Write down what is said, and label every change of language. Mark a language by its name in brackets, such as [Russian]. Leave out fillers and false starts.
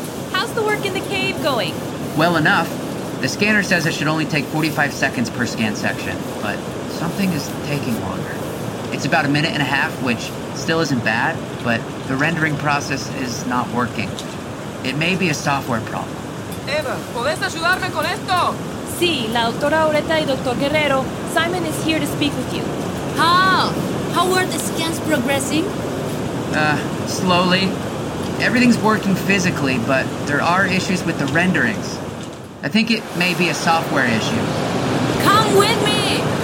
[English] How's the work in the cave going? Well enough. The scanner says it should only take 45 seconds per scan section, but something is taking longer. It's about a minute and a half, which still isn't bad, but the rendering process is not working. It may be a software problem. [Spanish] Eva, ¿puedes ayudarme con esto? Sí, la doctora Oreta y doctor Guerrero. [English] Simon is here to speak with you. How are the scans progressing? Slowly. Everything's working physically, but there are issues with the renderings. I think it may be a software issue. Come with me!